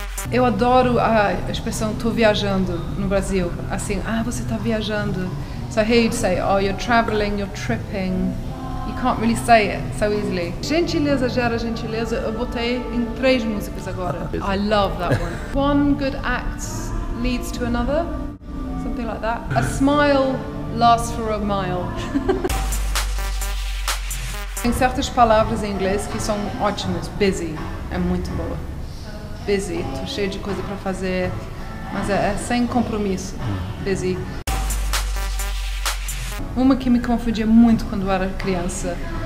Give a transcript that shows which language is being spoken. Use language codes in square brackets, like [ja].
[pt] Eu adoro a expressão, tô viajando no Brasil. Assim, ah, você tá viajando. [en] So here you'd say, oh, you're traveling, you're tripping. You can't really say it so easily. [pt] Gentileza gera gentileza, eu botei em 3 músicas agora. [en] I love that one. One good act leads to another, something like that. A smile lasts for a mile. [pt] Tem certas palavras em inglês que são ótimas. Busy é muito boa. Busy, tô cheio de coisa para fazer, mas é sem compromisso. Busy. Uma que me confundia muito quando era criança.